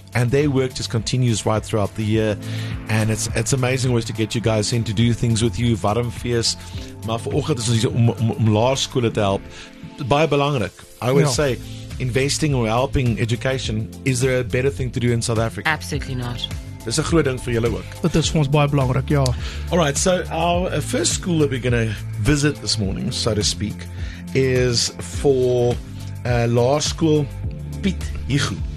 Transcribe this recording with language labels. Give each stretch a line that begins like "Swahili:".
English: And their work just continues right throughout the year. And it's amazing always to get you guys in to do things with you. Warm fees.
Afrikaans: Maar vanoggend is ons hier om laerskole te help. Baie belangrik.
English: I would say, investing or helping education, is there a better thing to do in South Africa? Absolutely not.
Afrikaans: Dis 'n groot ding vir julle ook. Dit is vir ons baie belangrik, ja.
English: Alright, so our first school that we're going to visit this morning, so to speak, is for Laerskool Piet, Hugo.